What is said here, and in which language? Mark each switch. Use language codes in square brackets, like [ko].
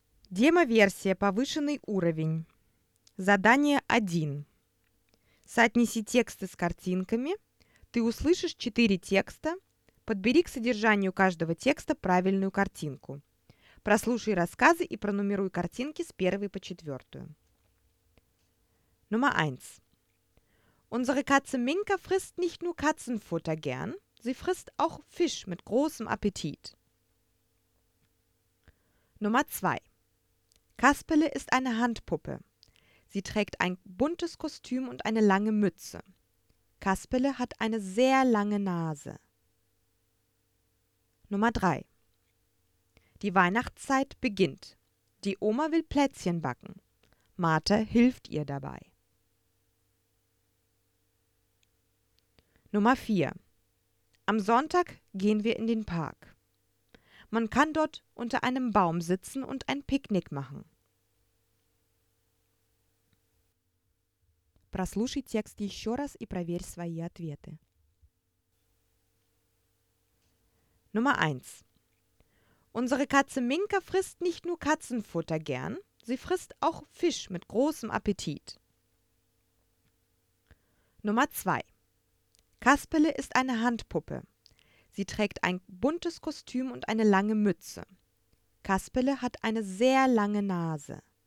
[ru] Демо-версия «Повышенный уровень». Задание 1. Соотнеси тексты с картинками. Ты услышишь 4 текста. Подбери к содержанию каждого текста правильную картинку. Прослушай рассказы и пронумеруй картинки с 1 по 4. [de] Nummer 1. Unsere Katze Minka frisst nicht nur Katzenfutter gern, sie frisst auch Fisch mit großem Appetit. Nummer 2. Kasperle ist eine Handpuppe. Sie trägt ein buntes Kostüm und eine lange Mütze. Kasperle hat eine sehr lange Nase. Nummer 3. Die Weihnachtszeit beginnt. Die Oma will Plätzchen backen. Martha hilft ihr dabei. Nummer 4. Am Sonntag gehen wir in den Park. Man kann dort unter einem Baum sitzen und ein Picknick machen. [ru] Прослушай текст еще раз и проверь свои ответы. [de] Nummer 1. Unsere Katze Minka frisst nicht nur Katzenfutter gern, sie frisst auch Fisch mit großem Appetit. Nummer 2. Kasperle ist eine Handpuppe. Sie trägt ein buntes Kostüm und eine lange Mütze. Kasperle hat eine sehr lange Nase.